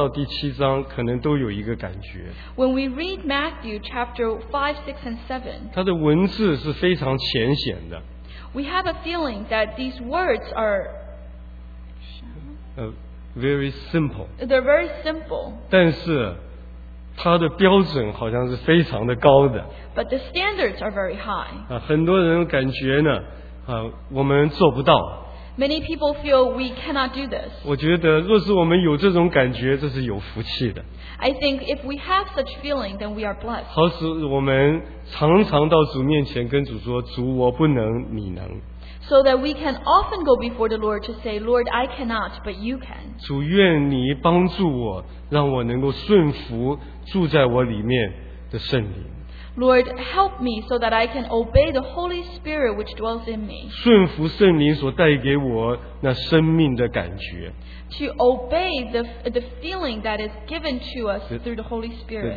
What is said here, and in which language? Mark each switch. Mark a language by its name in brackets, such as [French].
[Chinese] 我们自己读马太福音第五章到第七章，可能都有一个感觉。 [English] When we read Matthew chapter 5, 6, and 7, [Chinese] 它的文字是非常浅显的。 [English] We have a feeling that these words are very simple. They're very simple. [Chinese] 但是 它的标准好像是非常的高的 [English] But the standards are very high [Chinese] 很多人感觉呢我们做不到 [English] Many people feel we cannot do this. [Chinese] 我觉得若是我们有这种感觉，这是有福气的。 [English] I think if we have such feeling, then we are blessed. [Chinese] 好使我们常常到主面前跟主说，主我不能，你能。 [English] So that we can often go before the Lord to say, Lord, I cannot, but you can. [Chinese] 主愿你帮助我，让我能够顺服住在我里面的圣灵。 [English] Lord, help me so that I can obey the Holy Spirit which dwells in me. [Chinese] 顺服圣灵所带给我那生命的感觉。 [English] To obey the feeling that is given to us through the Holy Spirit.